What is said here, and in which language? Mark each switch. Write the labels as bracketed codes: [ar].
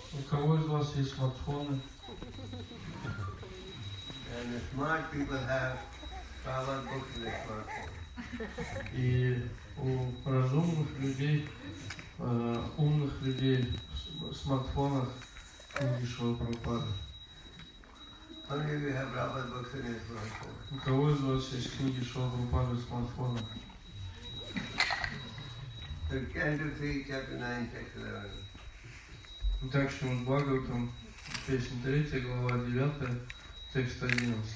[ru] У кого из вас есть смартфоны? [en] And the smart people have Prabhupada books in their smartphones. [ru] И у разумных людей умных людей в смартфонах книги Шрилы Прабхупады. [en] How many of you have Prabhupada books in your smartphone? [ru] У кого из вас есть книги Шрилы Прабхупады в смартфонах? [en] The Gandhi, chapter 9, text 11. [ru] Итак, Шримад Бхагаватам, песня 3, глава 9, текст 11.